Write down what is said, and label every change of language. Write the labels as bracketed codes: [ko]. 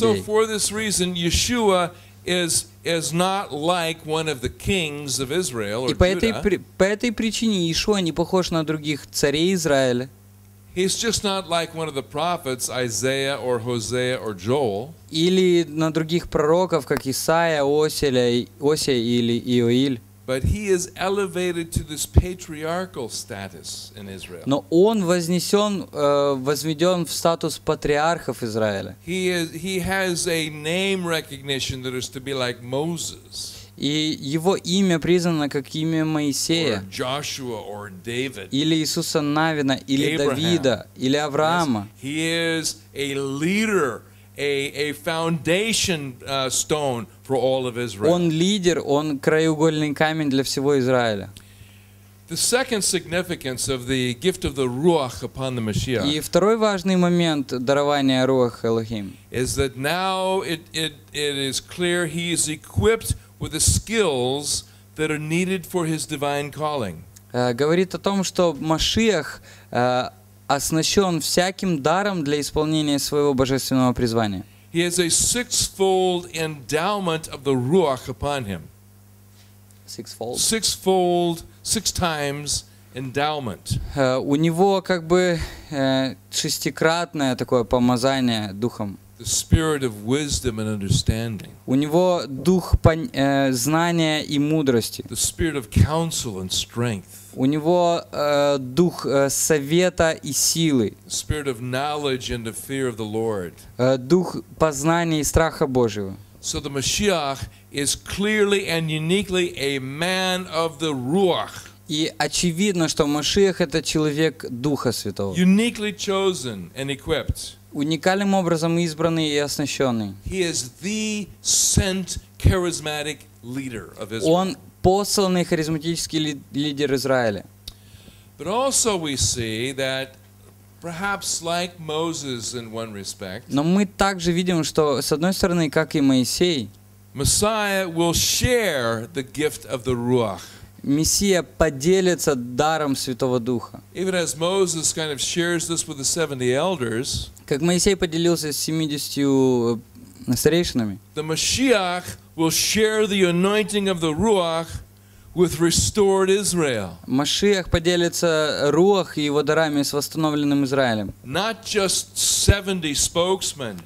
[en] And so for this reason, Yeshua is not like one of the kings of Israel or Judah. [ru] И по этой причине Иешуа не похож на других царей Израиля. [en] He's just not like one of the prophets, Isaiah or Hosea or Joel. [ru] Или на других пророков, как Исаия, Осия или Иоиль. [en] But he is elevated to this patriarchal status in Israel. [ru] Но он возведен в статус патриархов Израиля. [en] He has a name recognition that is to be like Moses. [ru] И его имя признано как имя Моисея, [en] or Joshua, or David, [ru] или Иисуса Навина, или [en] Abraham. [ru] Давида, или Авраама. [en] He is a leader, a foundation stone for all of Israel. [ru] Он лидер, он краеугольный камень для всего Израиля. [en] The second significance of the gift of the Ruach upon the Mashiach. [ru] И второй важный момент дарования Руах Элохим. [en] Is that now it is clear he is equipped with the skills that are needed for his divine calling. [ru] Говорит о том, что Машиах оснащен всяким даром для исполнения своего божественного призвания. [en] He has a sixfold endowment of the Ruach upon him. Sixfold. Sixfold, six times endowment. [ru] У него как бы шестикратное такое помазание духом. [en] The spirit of wisdom and understanding. [ru] У него дух знания и мудрости. [en] The spirit of counsel and strength. [ru] У него дух совета и силы. [en] The spirit of knowledge and of fear of the Lord. [ru] Дух познания и страха Божьего. [en] So the Mashiach is clearly and uniquely a man of the Ruach. [ru] И очевидно, что Машиах — это человек Духа Святого. [en] Uniquely chosen and equipped. [ru] Уникальным образом избранный и оснащенный. [en] He is the sent charismatic leader of Israel. [ru] Он посланный харизматический лидер Израиля. [en] But also we see that perhaps like Moses in one respect. [ru] Но мы также видим, что с одной стороны, как и Моисей, [en] Messiah will share the gift of the Ruach. [ru] Мессия поделится даром Святого Духа. [en] Even as Moses kind of shares this with the 70 elders. [ru] Как Моисей поделился с 70 старейшинами. [en] The Mashiach will share the anointing of the Ruach with restored Israel. [ru] Машиах поделится Руах и его дарами с восстановленным Израилем. [en] Not just 70 spokesmen.